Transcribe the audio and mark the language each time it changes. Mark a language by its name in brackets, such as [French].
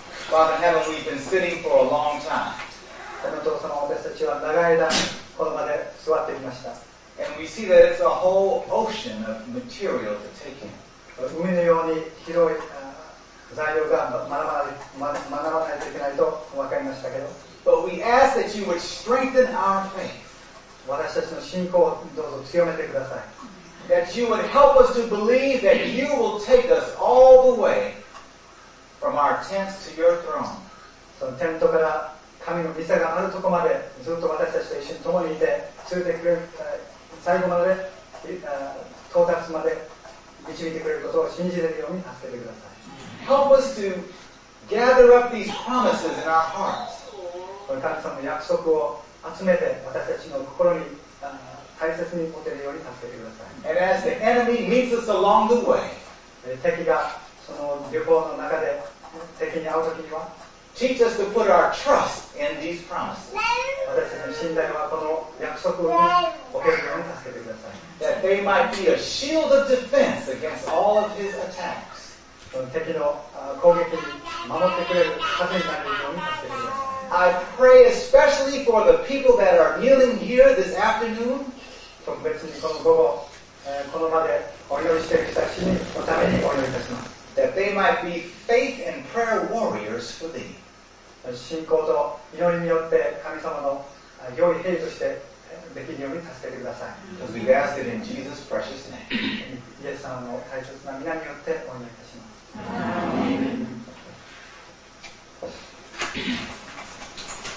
[English] Father in heaven, we've been sitting for a long time. [Japanese] 神様、私たちは長い間この場で座ってきました。 [English] And we see that it's a whole ocean of material to take in. [Japanese] 海のように広い材料がまだまだ学ばないといけないと分かりましたけど、 [English] But we ask that you would strengthen our faith. [Japanese] 私たちの信仰をどうぞ強めてください。 [English] That you would help us to believe that you will take us all the way from our tents to your throne. [Japanese] そのテントから神の御座があるとこまでずっと私たちと一緒に共にいて、連れてくれる、最後まで、到達まで導いてくれることを信じれるように助けてください。 [English] Help us to gather up these promises in our hearts. [Japanese] 神様の約束を集めて私たちの心に大切に持てるように助けてください。 [English] And as the enemy meets us along the way, [Japanese] 敵がその旅行の中で敵に会う時には、 [English] teach us to put our trust in these promises. [Japanese] 私たちの信頼はこの約束に置けるように助けてください。 [English] That they might be a shield of defense against all of his attacks. [Japanese] 敵の攻撃に守ってくれる盾になるように助けてください。 [English] I pray especially for the people that are kneeling here this afternoon. [Japanese] 特別にこの午後、この場でお祈りしている人たちにのためにお祈りいたします。 [English] That they might be faith and prayer warriors for thee. [Japanese] 信仰と祈りによって神様の良い兵としてできるように助けてください。 [English] Because we ask it in Jesus' precious name. [Japanese] イエス様の大切な皆によってお祈りいたします。